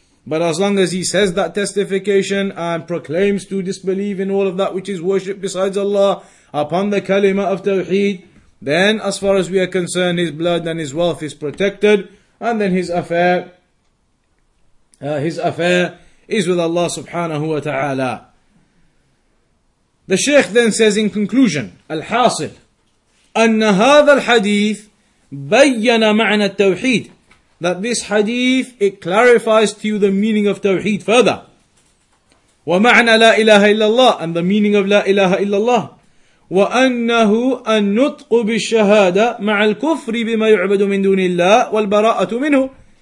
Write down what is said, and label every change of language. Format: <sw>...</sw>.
<en>But as long as he says that testification and proclaims to disbelieve in all of that which is worship besides Allah upon the kalima of Tawheed, then as far as we are concerned, his blood and his wealth is protected, and then his affair is with Allah subhanahu wa ta'ala. The Shaykh then says in conclusion, Al-Hasil,</en> <ar>أن هذا الحديث بيّن معنى التوحيد.</ar> <en>That this hadith, it clarifies to you the meaning of Tawheed further.</en> <ar>وَمَعْنَى لَا إِلَهَ إِلَّا اللَّهِ.</ar> <en>And the meaning of</en> <ar>لَا إِلَهَ إِلَّا اللَّهِ. وَأَنَّهُ النُّطْقُ بِالشَّهَادَةِ مَعَ الْكُفْرِ بِمَا يُعْبَدُ مِن دُونِ اللَّهِ وَالْبَرَاءَةُ مِنْهُ.</ar>